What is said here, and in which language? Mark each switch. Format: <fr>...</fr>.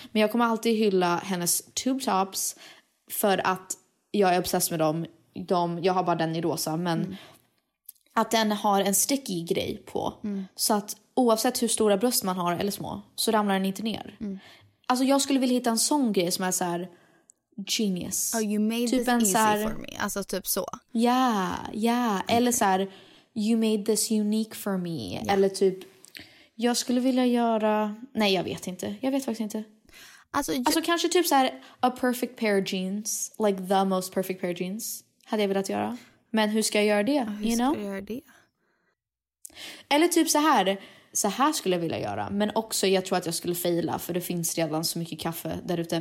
<sv>Men jag kommer alltid hylla hennes tube tops. För att jag är obsessed med dem. De, jag har bara den i rosa, men... Mm. Att den har en sticky grej på. Mm. Så att oavsett hur stora bröst man har eller små, så ramlar den inte ner. Mm. Alltså jag skulle vilja hitta en sån grej som är så här genius.</sv> <en>Oh, you made typ this easy här, for me.</en> <sv>Alltså typ så.</sv> <en>Yeah, yeah. Okay.</en> <sv>Eller så här,</sv> <en>you made this unique for me. Yeah.</en> <sv>Eller typ, jag skulle vilja göra... Nej, jag vet inte. Jag vet faktiskt inte. Alltså kanske typ så här,</sv> <en>a perfect pair of jeans. Like the most perfect pair of jeans.</en> <sv>Hade jag velat göra. Men hur ska jag göra det? Hur ska jag göra det? Eller typ så här skulle jag vilja göra. Men också, jag tror att jag skulle fejla, för det finns redan så mycket kaffe där ute.</sv>